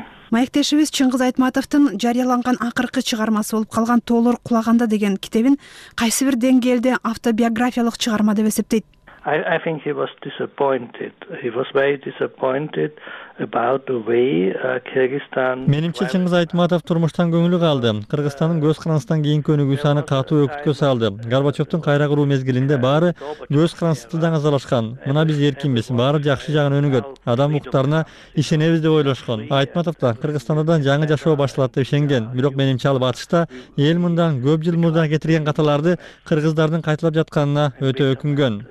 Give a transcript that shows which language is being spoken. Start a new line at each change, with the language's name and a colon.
Kyrgyz: Маектешибиз Чыңгыз Айтматовдун жарыяланган акыркы чыгармасы болуп калган Тоолор кулаганда деген китебин кайсы бир деңгээлде автобиографиялык чыгарма деп эсептейт.
English: I think he was disappointed. He was very disappointed about the way Kyrgyzstan.
Kyrgyz: Менимче Чыңгыз Айтматов турмуштан көңүлү калды. Кыргызстандын көз карандысынан кийинки өнүгүүсү аны катуу өкүткө салды. Горбачевдин кайра куруу мезгилинде баары көз карандысыздан азалашкан. Мына биз эркинбиз, баары жакшы жагын өнүгөт. Адам укуктарына ишенебиз деп ойлошкон. Айтматов да Кыргызстандан жаңы жашоо башталат деп ишенген. Бирок менимче ал батышта эл мындан көп жыл мурда кетирген каталарды кыргыздардын кайталап жатканына өтө өкүнгөн.